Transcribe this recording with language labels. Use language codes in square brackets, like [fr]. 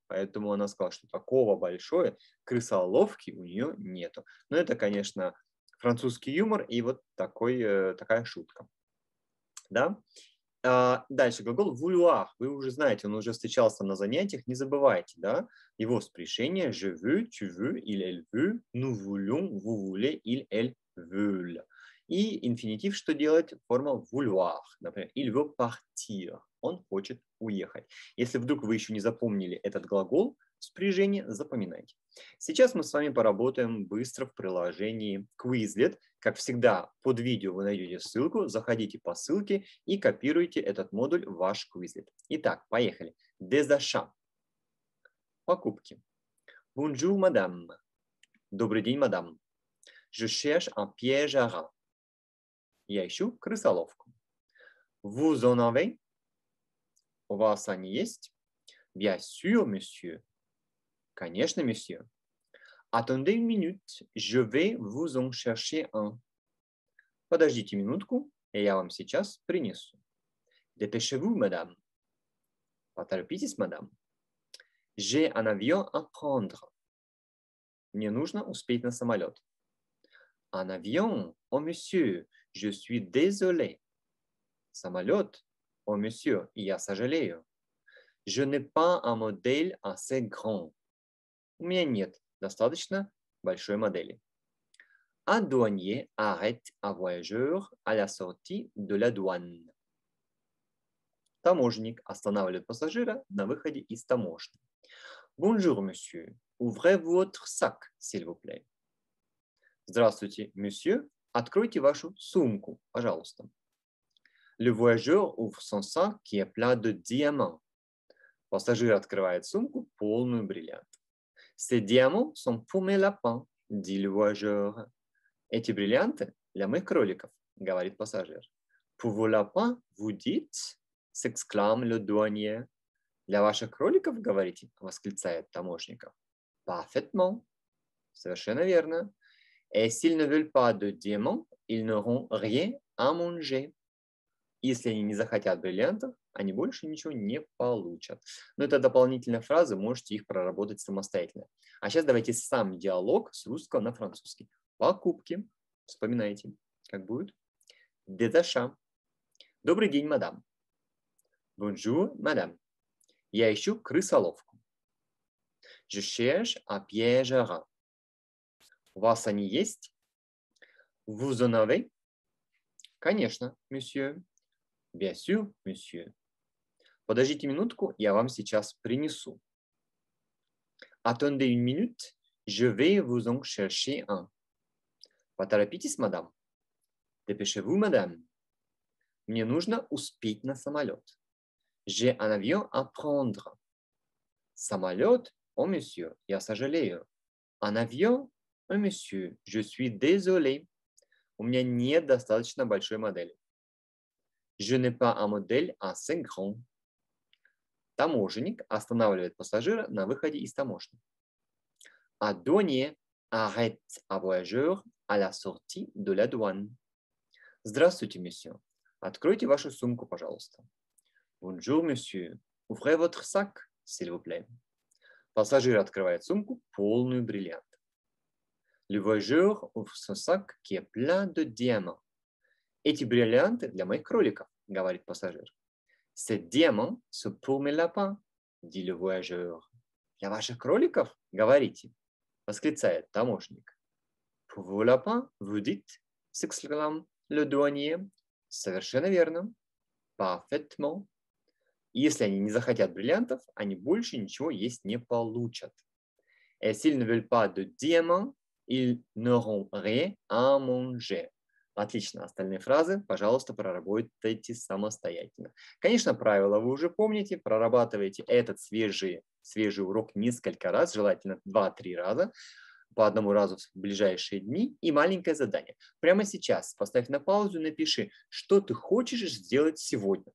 [ru] Поэтому она сказала, что такого большое крысоловки у нее нету. Но это, конечно, французский юмор и вот такой, такая шутка. Да? Дальше глагол «vouloir». Вы уже знаете, он уже встречался на занятиях. Не забывайте, да? Его спрещение [fr] «je veux», «tu veux», «il elle veut», [ru] «nous voulons», «vous voulez», «il elle veut». И инфинитив, что делать? Форма «vouloir». Например, [fr] «il veut partir». [ru] Он хочет уехать. Если вдруг вы еще не запомнили этот глагол спряжение, запоминайте. Сейчас мы с вами поработаем быстро в приложении Quizlet. Как всегда, под видео вы найдете ссылку, заходите по ссылке и копируйте этот модуль в ваш Quizlet. Итак, поехали. [fr] Des achats. [ru] Покупки. [fr] Bonjour, madame. [ru] Добрый день, мадам. [fr] Je cherche un piège à rat. [ru] Я ищу крысоловку. [fr] Vous en avez? [ru] У вас они есть? [fr] Bien sûr, monsieur. [ru] Конечно, месье. [fr] Attendez une minute, je vais vous en chercher un. [ru] Подождите минутку, и я вам сейчас принесу. [fr] Dépêchez-vous, madame. [ru] Поторопитесь, мадам. [fr] J'ai un avion à prendre. [ru] Мне нужно успеть на самолет. [fr] Un avion, oh monsieur, je suis désolé. [ru] Самолет, [fr] oh monsieur, [ru] я сожалею. [fr] Je n'ai pas un modèle assez grand. [ru] У меня нет достаточно большой модели. [fr] Un douanier arrête un voyageur à la sortie de la douane. [ru] Таможенник останавливает пассажира на выходе из таможни. [fr] Bonjour, monsieur. Ouvrez votre sac, s'il vous plaît. [ru] Здравствуйте, месье. Откройте вашу сумку, пожалуйста. [fr] Le voyageur ouvre son sac qui est plein de diamants. [ru] Пассажир открывает сумку, полную бриллиантов. [fr] Ces diamants sont pour mes lapins, dit le voyageur. [ru] Эти бриллианты для моих кроликов, говорит пассажир. [fr] Pour vos lapins, vous dites, s'exclame le douanier. [ru] Для ваших кроликов, говорите, восклицает таможенников. Parfaitement. Совершенно верно. [fr] Et s'ils ne veulent pas de diamants, ils n'auront rien à manger. [ru] Если они не захотят бриллиантов, они больше ничего не получат. Но это дополнительная фраза, можете их проработать самостоятельно. А сейчас давайте сам диалог с русского на французский. Покупки. Вспоминайте, как будет. [fr] Des achats. [ru] Добрый день, мадам. [fr] Bonjour, madame. [ru] Я ищу крысоловку. [fr] Je cherche un piège à rat. [ru] У вас они есть? [fr] Vous en avez? [ru] Конечно, monsieur. [fr] Bien sûr, monsieur. [ru] Подождите минутку, я вам сейчас принесу. [fr] Attendez une minute, je vais vous en chercher un. [ru] Поторопитесь, мадам. [fr] Dépêchez-vous, madame. [ru] Мне нужно успеть на самолет. [fr] J'ai un avion à prendre. Самолет? Oh, monsieur, [ru] я сожалею. [fr] Un avion? Oh, monsieur, je suis désolé. [ru] У меня нет достаточно большой модели. [fr] Je n'ai pas un modèle assez grand. [ru] Таможенник останавливает пассажира на выходе из таможни. [fr] Un douanier arrête un voyageur à la sortie de la douane. [ru] Здравствуйте, monsieur. Откройте вашу сумку, пожалуйста. [fr] Bonjour, monsieur. Ouvrez votre sac, s'il vous plaît. [ru] Пассажир открывает сумку, полную бриллиантов. [fr] Le voyageur ouvre son sac qui est plein de diamants. [ru] Эти бриллианты для моих кроликов, говорит пассажир. [fr] Ces diamants sont pour mes lapins, dit le voyageur. [ru] Для ваших кроликов, говорите, восклицает таможенник. [fr] Pour vos lapins, vous dites, s'exclame le douanier. [ru] Совершенно верно. Parfaitement. Если они не захотят бриллиантов, они больше ничего есть не получат. [fr] Et s'ils ne veulent pas de diamants, ils n'auront rien à manger. [ru] Отлично, остальные фразы, пожалуйста, проработайте самостоятельно. Конечно, правила вы уже помните, прорабатывайте этот свежий урок несколько раз, желательно 2-3 раза, по одному разу в ближайшие дни. И маленькое задание. Прямо сейчас поставь на паузу, напиши, что ты хочешь сделать сегодня.